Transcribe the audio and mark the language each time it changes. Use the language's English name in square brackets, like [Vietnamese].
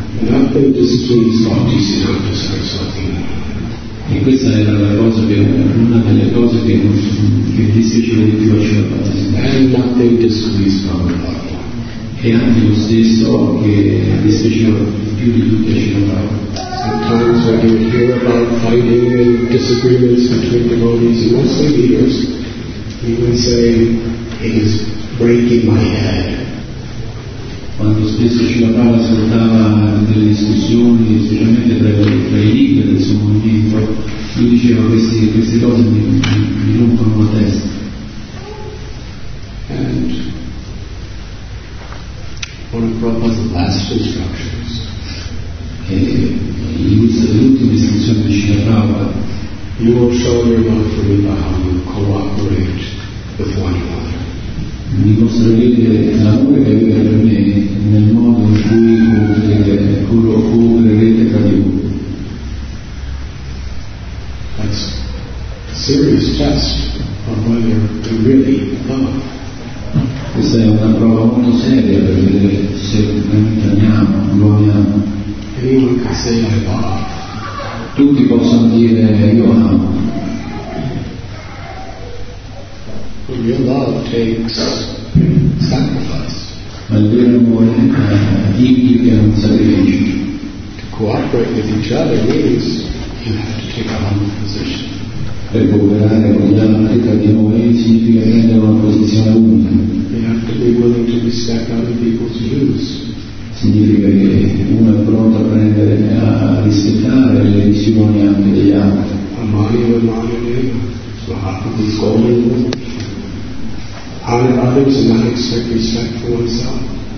[English] Nothing displeases Bhaktisiddhanta Saraswati. [Italian] E questa era la cosa che, una delle cose che dispiaceva di più a Srila Prabhupada. [English] Nothing displeases Prabhupada. [Italian] E anche lo stesso che dispiaceva più di tutti a Srila Prabhupada. [English] Sometimes when you hear about fighting and disagreements between devotees, mostly leaders, you would say, it is breaking my head. [Italian] Quando spesso Srila Prabhupada ascoltava delle discussioni, specialmente tra i leader del suo movimento, lui diceva: queste cose mi rompono la testa. [English] And one of Prabhupada's last instructions. [Italian] L'ultima istruzione di Srila Prabhupada: [English] you will show your love for me by how you cooperate with one another. [Italian] Mi mostrerete l'amore che avete per me nel modo in cui coopererete tra di voi. [English] That's a serious test of whether you really love. [Italian] Questa è una prova molto seria per vedere se veramente amiamo, lo amiamo. [English] Anyone can say I love. [Italian] Tutti possono dire io amo. [English] But your love takes sacrifice. [Italian] Ma il vero amore implica un sacrificio. [English] To cooperate with each other means you have to take a humble position. [Italian] Per cooperare con gli altri tra di noi significa prendere una posizione umile. [English] You have to be willing to respect other people's views. [Italian] Significa che uno è pronto a prendere, a rispettare le visioni anche degli altri. Amare e amare [English] these golden rules. Honor others and not expect respect for oneself.